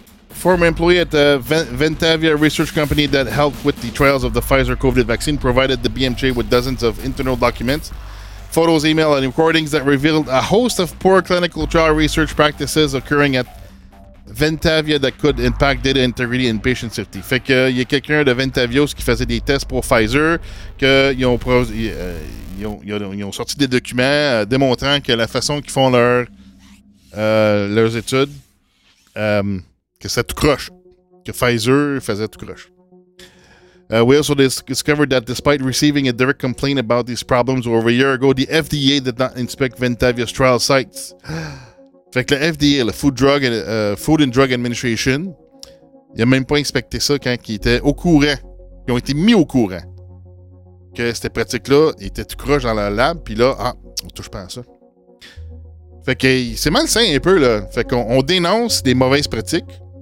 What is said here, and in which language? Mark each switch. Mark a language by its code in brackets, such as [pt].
[en] Former employee at the Ventavia research company that helped with the trials of the Pfizer COVID vaccine provided the BMJ with dozens of internal documents, photos, email, and recordings that revealed a host of poor clinical trial research practices occurring at Ventavia that could impact data integrity and patient safety. [fr] Fait que il y a quelqu'un de Ventavia qui faisait des tests pour Pfizer que ils ont sorti des documents démontrant que la façon qu'ils font leurs études que c'est tout croche, que Pfizer faisait tout croche. [en] We also discovered that despite receiving a direct complaint about these problems over a year ago, the FDA did not inspect Ventavia's trial sites. [fr] Fait que le FDA, le Food and Drug Administration, il a même pas inspecté ça quand ils étaient au courant, ils ont été mis au courant que ces pratiques-là étaient tout croche dans leur lab, puis là, ah, on touche pas à ça. Fait que c'est malsain un peu, là. Fait qu'on dénonce des mauvaises pratiques.